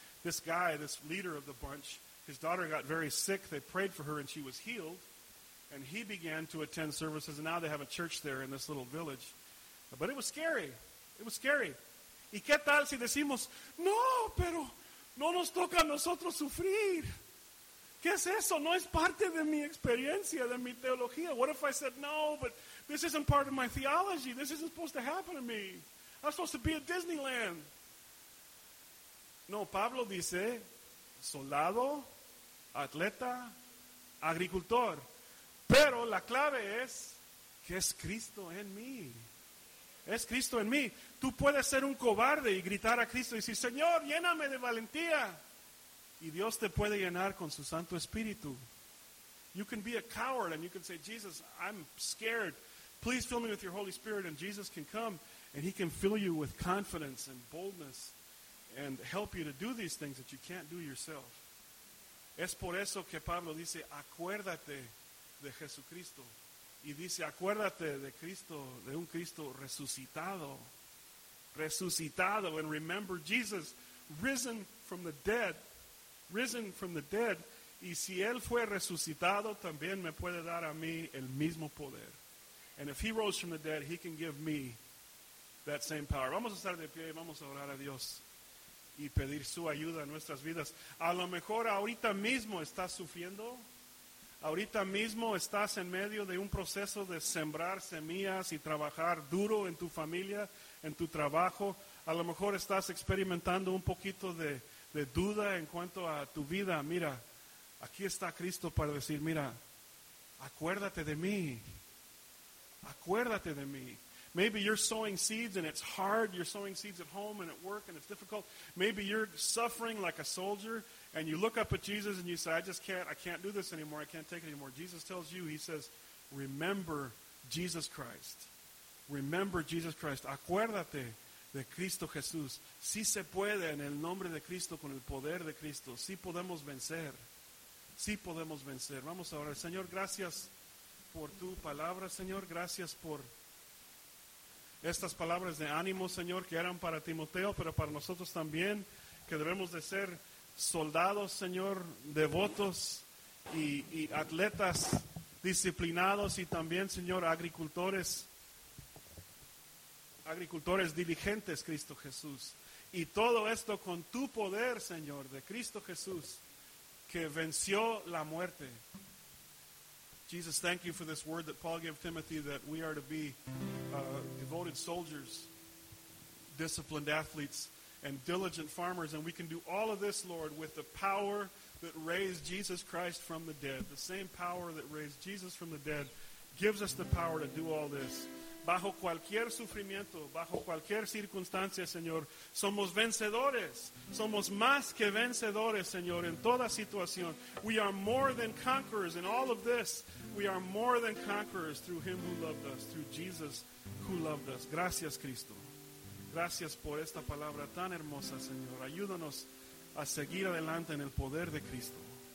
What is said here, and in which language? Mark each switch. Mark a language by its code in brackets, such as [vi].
[en] This guy, this leader of the bunch, his daughter got very sick. They prayed for her and she was healed. And he began to attend services, and now they have a church there in this little village. But it was scary. It was scary. [es] ¿Y qué tal si decimos, no, pero no nos toca a nosotros sufrir? ¿Qué es eso? No es parte de mi experiencia, de mi teología. [en] What if I said, no, but this isn't part of my theology. This isn't supposed to happen to me. I'm supposed to be at Disneyland. [es] No, Pablo dice, soldado, atleta, agricultor. Pero la clave es que es Cristo en mí. Es Cristo en mí. Tú puedes ser un cobarde y gritar a Cristo y decir, Señor, lléname de valentía. Y Dios te puede llenar con su Santo Espíritu. [en] You can be a coward and you can say, Jesus, I'm scared. Please fill me with your Holy Spirit. And Jesus can come and he can fill you with confidence and boldness and help you to do these things that you can't do yourself. [es] Es por eso que Pablo dice, acuérdate de Jesucristo. Y dice, acuérdate de Cristo, de un Cristo resucitado. Resucitado. [en] And remember Jesus, risen from the dead. Risen from the dead. [es] Y si Él fue resucitado, también me puede dar a mí el mismo poder. [en] And if He rose from the dead, He can give me that same power. [es] Vamos a estar de pie y vamos a orar a Dios y pedir su ayuda en nuestras vidas. A lo mejor ahorita mismo estás sufriendo. Ahorita mismo estás en medio de un proceso de sembrar semillas y trabajar duro en tu familia, en tu trabajo. A lo mejor estás experimentando un poquito de duda en cuanto a tu vida. Mira, aquí está Cristo para decir, mira, acuérdate de mí. Acuérdate de mí. [en] Maybe you're sowing seeds and it's hard. You're sowing seeds at home and at work and it's difficult. Maybe you're suffering like a soldier and you look up at Jesus and you say, I can't do this anymore. I can't take it anymore. Jesus tells you, he says, remember Jesus Christ. Remember Jesus Christ. [es] Acuérdate de Cristo Jesús. Si se puede en el nombre de Cristo, con el poder de Cristo. Si podemos vencer. Si podemos vencer. Vamos a orar. Señor, gracias por tu palabra, Señor. Gracias por estas palabras de ánimo, Señor, que eran para Timoteo, pero para nosotros también, que debemos de ser soldados, Señor, devotos y atletas disciplinados y también, Señor, agricultores diligentes, Cristo Jesús. Y todo esto con tu poder, Señor, de Cristo Jesús, que venció la muerte. [en] Jesus, thank you for this word that Paul gave Timothy, that we are to be devoted soldiers, disciplined athletes, and diligent farmers. And we can do all of this, Lord, with the power that raised Jesus Christ from the dead. The same power that raised Jesus from the dead gives us the power to do all this. [es] Bajo cualquier sufrimiento, bajo cualquier circunstancia, Señor, somos vencedores. Somos más que vencedores, Señor, en toda situación. [en] We are more than conquerors in all of this. We are more than conquerors through Him who loved us, through Jesus who loved us. [es] Gracias, Cristo. Gracias por esta palabra tan hermosa, Señor. Ayúdanos a seguir adelante en el poder de Cristo.